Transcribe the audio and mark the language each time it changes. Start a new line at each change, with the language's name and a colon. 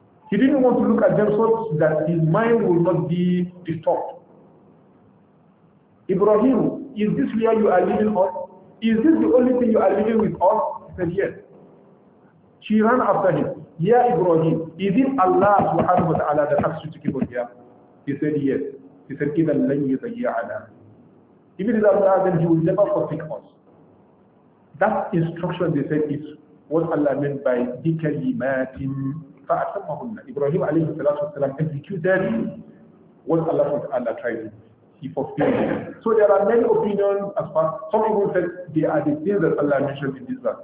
English: He didn't want to look at them so that his mind will not be disturbed. Ibrahim, is this where you are living on? Is this the only thing you are living with us? He said yes. She ran after him. Ya Ibrahim, is it Allah subhanahu wa ta'ala that has to keep us here? He said yes. He said,
Arabic: إِذَنْ لَنْ يُضَيِّعَنَا.
English: If it is Allah, then he will never forsake us. That instruction, they said, is what Allah meant by
Arabic: بِكَلِمَاتٍ فَأَتَمَّهُنَّ.
English: Ibrahim alayhi salatu wa salam executed what Allah subhanahu wa ta'ala tried to do. He fulfilled it. So there are many opinions as far, some people said they are the things that Allah mentioned in this verse.